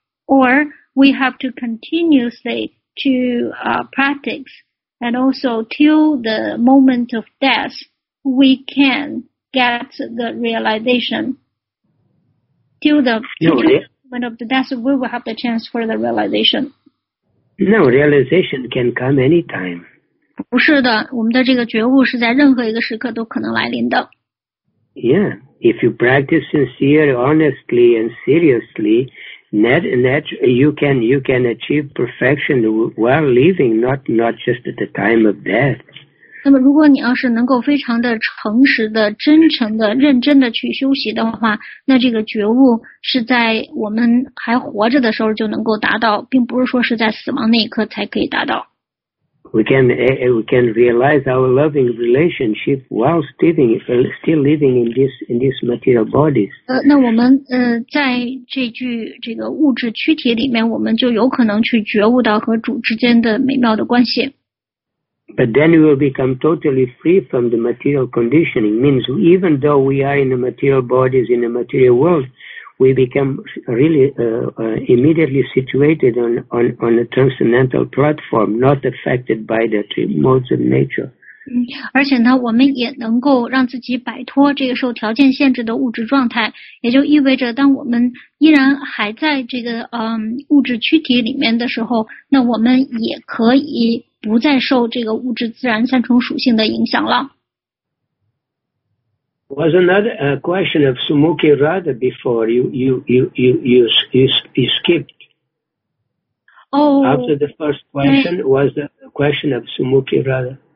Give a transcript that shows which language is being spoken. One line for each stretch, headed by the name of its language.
English: Or we have to continuously to practice, and also till the moment of death, we can get the realization. Till the moment of the death, we will have the chance for the realization. No, realization can come anytime.
Chinese: 不是的，我们的这个觉悟是在任何一个时刻都可能来临的。
English: Yeah, if you practice sincerely, honestly, and seriously,you can achieve perfection while living, not just at the time of death.
Chinese: 那么如果你要是能够非常的诚实的真诚的认真的去修习的话，那这个觉悟是在我们还活着的时候就能够达到，并不是说是在死亡那一刻才可以达到。
English: We can realize our loving relationship while still living in this material body.
Chinese: 那我们在这个物质躯体里面，我们就有可能去觉悟到和主之间的美妙的关系。
English: But then we will become totally free from the material conditioning. Means even though we are in the material bodies, in the material world, we become really immediately situated on a transcendental platform, not affected by the three modes of nature.
Chinese: 而且呢，我们也能够让自己摆脱这个受条件限制的物质状态，也就意味着当我们依然还在这个物质躯体里面的时候，那我们也可以不再受这个物质自然三重属性的影响了。
English: Was another question of Sumukhi Radha before you skipped. Oh, after the first question was the question of Sumukhi Radha.